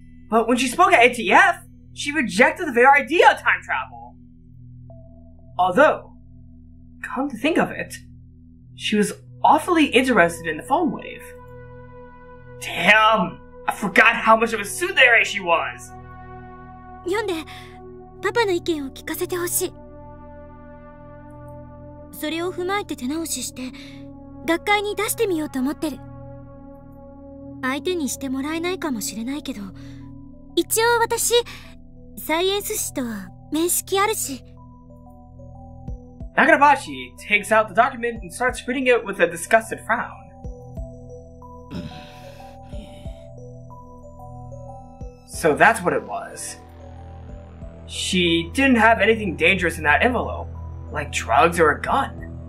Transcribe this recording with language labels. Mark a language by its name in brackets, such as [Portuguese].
[English] But when she spoke at ATF, she rejected the very idea of time travel. Although, come to think of it, she was awfully interested in the phone wave. Damn! I forgot how much of a soothsayer she was! [Japanese] 読んで、パパの意見を聞かせてほしい。それを踏まえて手直しして、学会に出してみようと思ってる。相手にしてもらえないかもしれないけど、一応私、サイエンス誌とは面識あるし。 [English] Nagarabachi takes out the document and starts reading it with a disgusted frown. So that's what it was. She didn't have anything dangerous in that envelope, like drugs or a gun.